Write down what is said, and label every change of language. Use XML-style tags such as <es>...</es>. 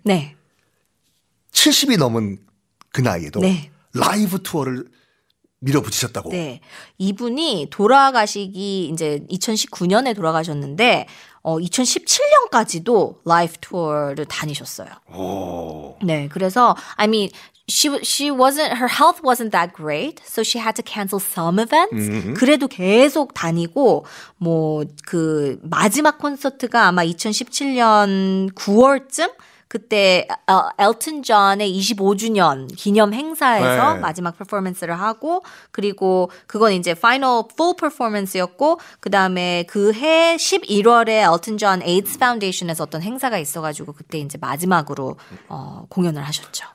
<ko>네. 70이 넘은 그 나이에도 네. 라이브 투어를 밀어붙이셨다고. 네. 이분이 돌아가시기 이제 2019년에 돌아가셨는데 2017년까지도 라이브 투어를 다니셨어요. 오. 네. 그래서</ko> <en>I mean she wasn't her health wasn't that great. So she had to cancel some events. 음흠.</en> <ko>그래도 계속 다니고 뭐 그 마지막 콘서트가 아마 2017년 9월쯤 그때 엘튼 존의 25주년 기념 행사에서 네. 마지막 퍼포먼스를 하고 그리고 그건 이제 파이널 풀 퍼포먼스였고 그다음에 그해 11월에 엘튼 존 에이드스 파운데이션에서 어떤 행사가 있어가지고 그때 이제 마지막으로 공연을 하셨죠.</ko>